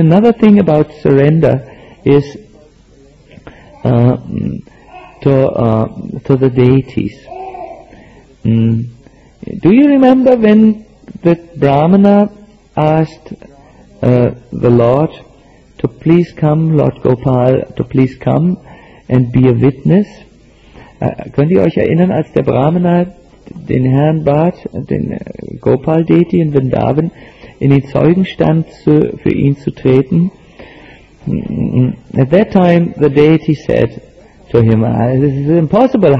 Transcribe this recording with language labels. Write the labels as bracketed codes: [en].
[en] Another thing about surrender is to the deities. Do you remember when the Brahmana asked the Lord to please come, Lord Gopal, to please come and be a witness? [de] Könnt ihr euch erinnern, als der Brahmana den Herrn bat, den Gopal-Deity in Vrindavan, in den Zeugenstand für ihn zu treten? [en] At that time the deity said to him, "This is impossible.